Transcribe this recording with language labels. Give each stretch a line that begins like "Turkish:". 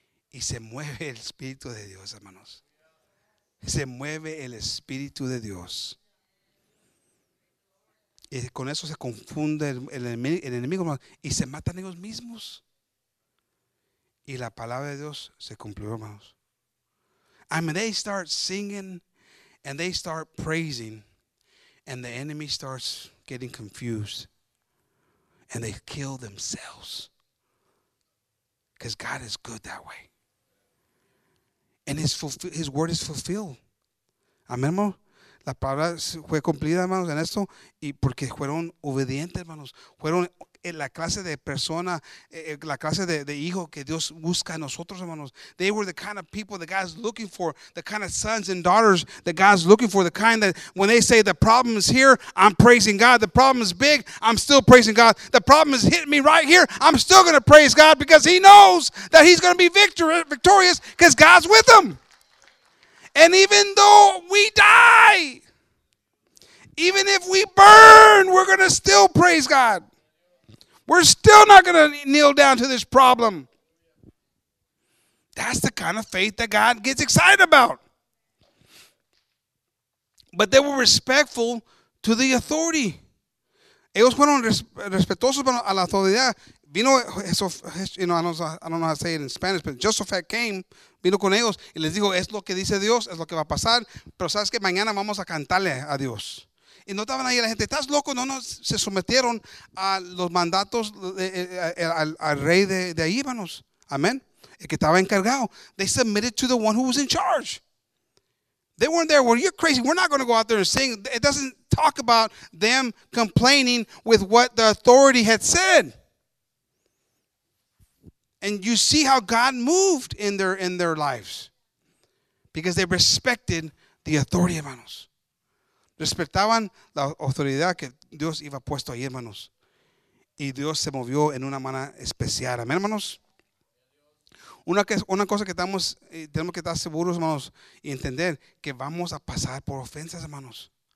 Spanish: Y se mueve el Espíritu de Dios, hermanos. Se mueve el Espíritu de Dios. Y con eso se confunde el enemigo, hermanos. Y se matan ellos mismos. Y la palabra de Dios se cumplió, hermanos.
English: I mean, they start singing and they start praising. And the enemy starts getting confused. And they kill themselves. Because God is good that way. And his word is fulfilled.
Spanish: Amén, hermano. La palabra fue cumplida, hermanos, en esto. Y porque fueron obedientes, hermanos. Fueron la clase de persona, la clase de hijo que Dios busca en nosotros, hermanos.
English: They were the kind of people that God's looking for. The kind of sons and daughters that God's looking for. The kind that when they say the problem is here, I'm praising God. The problem is big, I'm still praising God. The problem is hitting me right here, I'm still going to praise God because he knows that he's going to be victorious because God's with him. And even though we die, even if we burn, we're going to still praise God. We're still not going to kneel down to this problem. That's the kind of faith that God gets excited about. But they were respectful to the authority.
Spanish: Ellos fueron respetuosos a la autoridad. Vino,
English: you know, I don't know how to say it in Spanish, but Josaphat came,
Spanish: vino con ellos, y les dijo, es lo que dice Dios, es lo que va a pasar, pero sabes que mañana vamos a cantarle a Dios. Y no estaban ahí la gente, ¿estás loco? No, no, se sometieron a los mandatos al rey de ahí, hermanos. Amén. El que estaba encargado.
English: They submitted to the one who was in charge. They weren't there. Well, you're crazy. We're not going to go out there and sing. It doesn't talk about them complaining with what the authority had said. And you see how God moved in their lives. Because they respected the authority, hermanos.
Spanish: Respetaban la autoridad que Dios iba puesto ahí, hermanos. Y Dios se movió en una manera especial. Amén, hermanos. Una cosa que tenemos que estar seguros, hermanos, y entender que vamos a pasar por ofensas, hermanos.